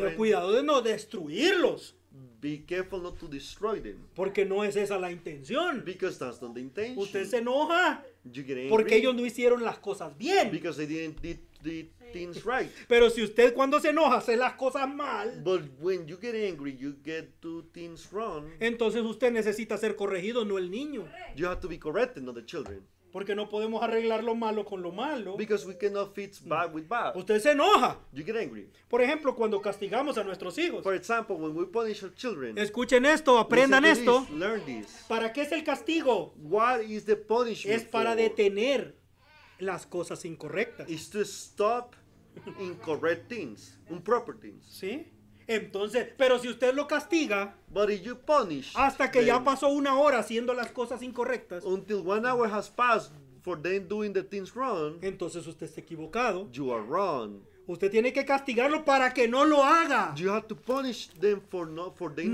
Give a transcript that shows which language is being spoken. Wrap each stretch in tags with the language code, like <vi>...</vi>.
<es>tenga cuidado de no destruirlos.</es> <en>Be careful not to destroy them.</en> <es>Porque no es esa la intención.</es> <en>Because that's not the intention.</en> <es>Usted se enoja,</es> <en>you get angry,</en> <es>porque ellos no hicieron las cosas bien.</es> <en>Because they didn't do the things right.</en> <es>Pero si usted cuando se enoja hace las cosas mal,</es> <en>but when you get angry, you get to things wrong.</en> <es>Entonces usted necesita ser corregido, no el niño.</es> <en>You have to be corrected, not the children.</en> <es>Porque no podemos arreglar lo malo con lo malo.</es> <en>Because we cannot fix bad with bad.</en> <es>Usted se enoja.</es> <en>You get angry.</en> <es>Por ejemplo, cuando castigamos a nuestros hijos.</es> <en>For example, when we punish our children.</en> <es>Escuchen esto, aprendan esto.</es> <en>Learn this.</en> <es>¿Para qué es el castigo?</es> <en>What is the punishment?</en> <es>Es para</es> <en>for?</en> <es>Detener las cosas incorrectas.</es> <en>It's to stop incorrect things, improper things.</en> <es>¿Sí? Entonces, pero si usted lo castiga,</es> <en>but if you punish,</en> <es>hasta que ya pasó una hora haciendo las cosas incorrectas,</es> <en>until 1 hour has passed for them doing the things wrong,</en> <es>entonces usted está equivocado.</es> <en>You are wrong.</en> <es>Usted tiene que castigarlo para que no lo haga.</es> <en>You have to punish them for not for them</en>